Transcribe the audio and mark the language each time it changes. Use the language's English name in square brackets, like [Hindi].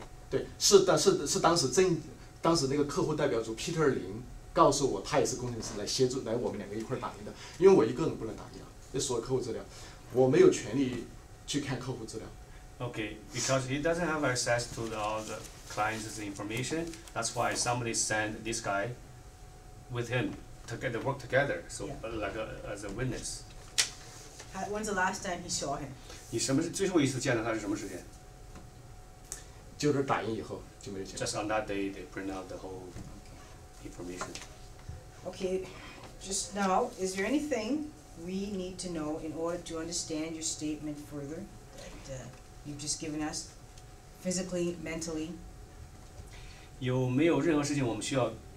[Chinese] 对，是的，是当时那个客户代表组 Peter 林告诉我，他也是工程师，来协助来我们两个一块打印的，因为我一个人不能打印啊，这所有客户资料，我没有权利去看客户资料。 [English] Okay, because he doesn't have access to all the clients' information, that's why somebody sent this guy with him. Together, work together, so yeah. Like as a witness. When's the last time he saw him? [Chinese] 你什么最后一次见到他是什么时间？就是打印以后就没有见。 [English] Just on that day, they print out the whole information. Okay, just now, is there anything we need to know in order to understand your statement further that you've just given us, physically, mentally? [Chinese] 有没有任何事情我们需要